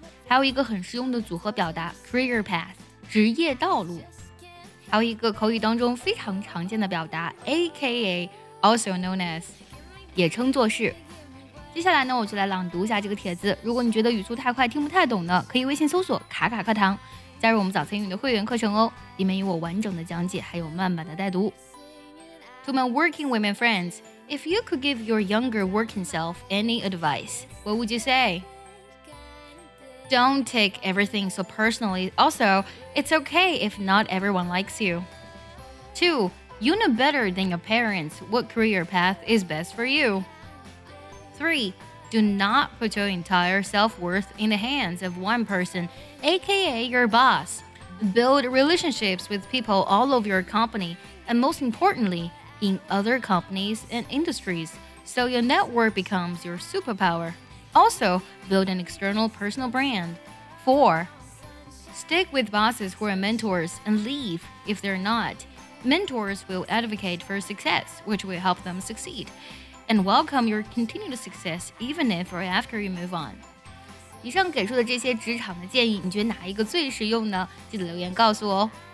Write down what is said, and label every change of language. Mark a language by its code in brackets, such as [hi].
[zh] 还有一个很实用的组合表达 [en] career path [zh] 职业道路，还有一个口语当中非常常见的表达 [en] aka also known as [zh] 也称作是。接下来呢我就来朗读一下这个帖子，如果你觉得语速太快听不太懂呢，可以微信搜索卡卡课堂加入我们早餐英语的会员课程哦，里面有我完整的讲解还有慢版的带读。 [en] To my working women friends, if you could give your younger working self any advice, what would you say? Don't take everything so personally. Also, it's okay if not everyone likes you. 2. You know better than your parents what career path is best for you. 3. Do not put your entire self-worth in the hands of one person, aka your boss. Build relationships with people all over your company, and most importantly, in other companies and industries, so your network becomes your superpower. Also, build an external personal brand. 4. Stick with bosses who are mentors and leave if they're not. Mentors will advocate for success, which will help them succeed. And welcome your continued success, even if or after you move on. [zh] 以上给出的这些职场的建议，你觉得哪一个最实用呢？记得留言告诉我哦。